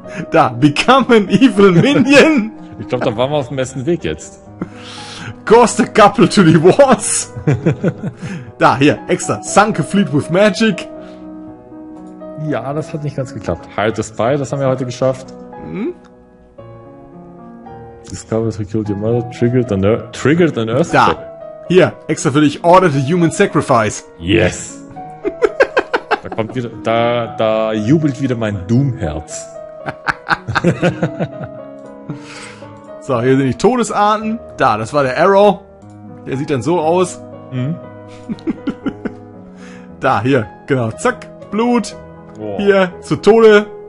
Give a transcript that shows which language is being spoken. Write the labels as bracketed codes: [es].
[en] Da, become an evil minion. [de] Ich glaube, da waren wir auf dem besten Weg jetzt. [en] Caused a couple to the wars. [de] Da, hier, extra. [en] Sunk a fleet with magic. Ja, das hat nicht ganz geklappt. Hired a spy, das haben wir heute geschafft. Discover to kill your mother, triggered an earthquake. [de] Da. Hier, extra für dich. [en] Order the human sacrifice. Yes. [de] Da kommt wieder, da jubelt wieder mein Doom-Herz. So, hier sind die Todesarten. Da, das war der Arrow. Der sieht dann so aus. Da, hier, genau. Zack, Blut. Boah. Hier, zu Tode.